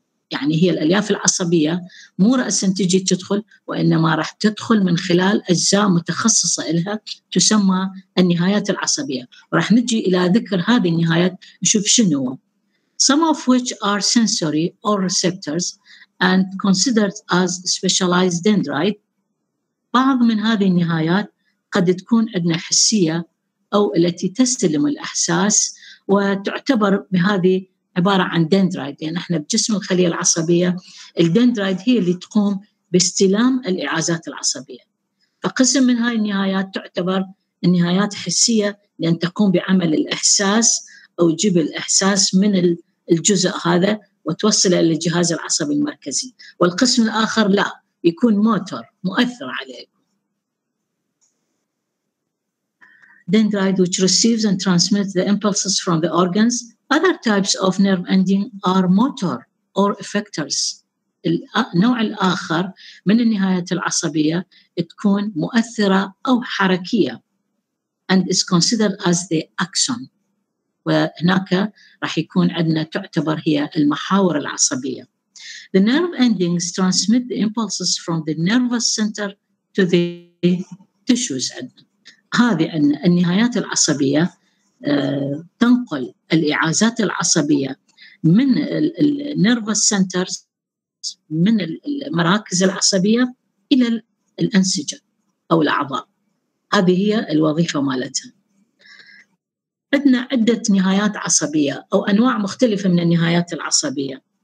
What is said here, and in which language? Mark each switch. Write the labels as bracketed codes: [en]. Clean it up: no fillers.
[ar] يعني هي الألياف العصبية مو رأسا تجي تدخل، وإنما راح تدخل من خلال أجزاء متخصصة إلها تسمى النهايات العصبية. وراح نجي إلى ذكر هذه النهايات نشوف شنو. [en] Some of which are sensory or receptors and considered as specialized dendrite. [ar] بعض من هذه النهايات قد تكون عندنا حسية أو التي تستلم الأحساس وتعتبر بهذه عبارة عن دندرايد. يعني احنا بجسم الخلية العصبية الدندرايد هي اللي تقوم باستلام الإعازات العصبية، فقسم من هاي النهايات تعتبر النهايات حسية لأن تقوم بعمل الإحساس أو جيب الإحساس من الجزء هذا وتوصله إلى الجهاز العصبي المركزي، والقسم الآخر لا يكون موتور مؤثر عليه. [en] Dendrite which receives and transmits the impulses from the organs. Other types of nerve ending are motor or effectors. [ar] النوع الآخر من النهايات العصبية تكون مؤثرة أو حركية [en] and is considered as the axon. [ar] وهناك راح يكون عندنا تعتبر هي المحاور العصبية. [en] The nerve endings transmit the impulses from the nervous center to the tissues. [ar] هذه أن النهايات العصبية تنقل الإعازات العصبية من الـ nervous centers من المراكز العصبية إلى الأنسجة أو الأعضاء. هذه هي الوظيفة مالتها. عندنا عدة نهايات عصبية أو أنواع مختلفة من النهايات العصبية.